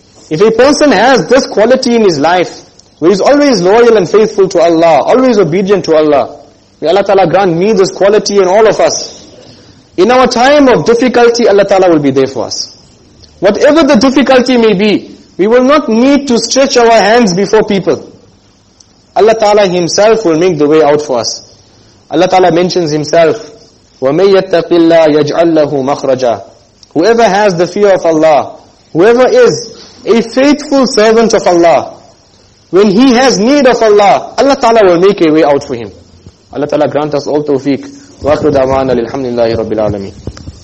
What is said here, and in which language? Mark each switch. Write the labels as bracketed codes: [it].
[en] If a person has this quality in his life, where he's always loyal and faithful to Allah, always obedient to Allah, may Allah Ta'ala grant me this quality and all of us. In our time of difficulty, Allah Ta'ala will be there for us. Whatever the difficulty may be, we will not need to stretch our hands before people. Allah Ta'ala Himself will make the way out for us. Allah Ta'ala mentions Himself, [ar] وَمَن يَتَّقِ اللَّهَ يَجْعَلْ لَهُ مَخْرَجًا. [en] Whoever has the fear of Allah, whoever is a faithful servant of Allah, when he has need of Allah, Allah Ta'ala will make a way out for him. Allah Ta'ala grant us all tawfiq. [ar] وَأَخْرُ دَعْوَانَا لِلْحَمْدِ اللَّهِ رَبِّ الْعَالَمِينَ.